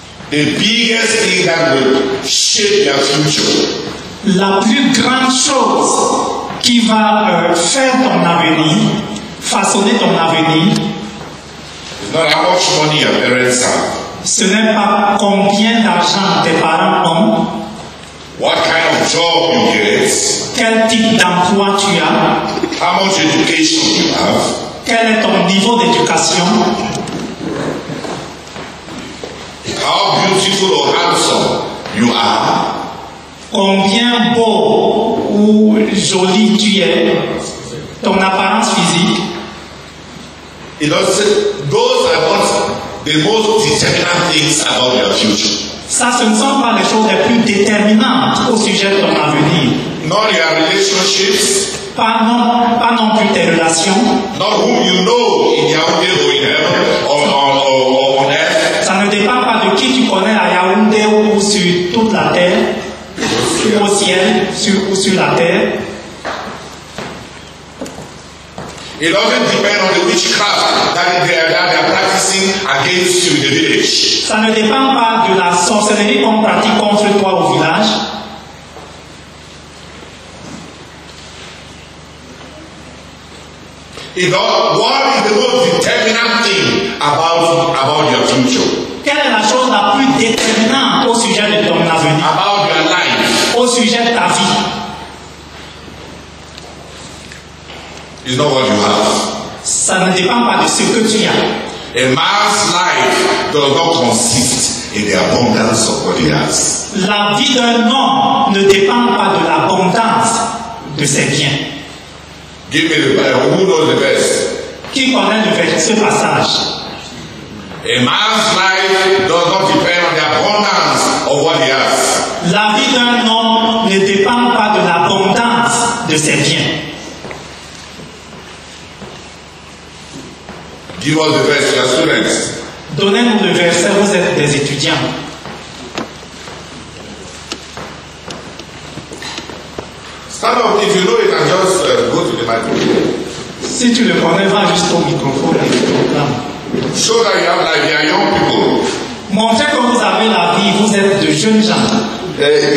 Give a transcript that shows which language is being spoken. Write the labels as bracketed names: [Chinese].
[English] The biggest thing that will shape your future. [French] La plus grande chose qui va faire ton avenir. Façonner ton avenir. [English] Not how much money your parents have. [French] Ce n'est pas combien d'argent tes parents ont. [English] What kind of job you get. [French] Quel type d'emploi tu as. [English] How much education you have. [French] Quel est ton niveau d'éducation. [English] How beautiful or handsome you are. [French] Combien beau ou joli tu es. Ton apparence physique. [English] It also says, those are not the most determinant things about your future. [French] Ça, ce ne sont pas les choses les plus déterminantes au sujet de ton avenir. [English] Not your relationships. [French] Pas non plus tes relations. [English] Not who you know in Yaoundé ou in heaven or on earth. [French] Ça ne dépend pas de qui tu connais à Yaoundé ou ou sur toute la terre, au ciel, sur la terre. [English] It doesn't depend on the witchcraft that they are practicing against you in the village. [French] Ça ne dépend pas de la sorcellerie qu'on pratique contre toi au village. [English] What is the most determinant thing about your future? [French] Quelle est la chose la plus déterminante au sujet de ton avenir? [English] About your life. [French] Au sujet de ta vie. [English] It's not what you have. [French] Ça ne dépend pas de ce que tu as. [English] A man's life does not consist in the abundance of what he has. [French] La vie d'un homme ne dépend pas de l'abondance de ses biens. [English] Give me the Bible. Who knows the verse? [French] Qui connaît le verset, ce passage? [English] A man's life does not depend on the abundance of what he has. [French] La vie d'un homme ne dépend pas de l'abondance de ses biens. [English] Give us the verse, your students. [French] Donnez-nous le verset, vous êtes des étudiants. [English] Stand up if you know it and just go to the microphone. [French] Si tu le connais, va juste au microphone. [English] Show that you have like your young people. [French] Montrez que vous avez la vie, vous êtes de jeunes gens.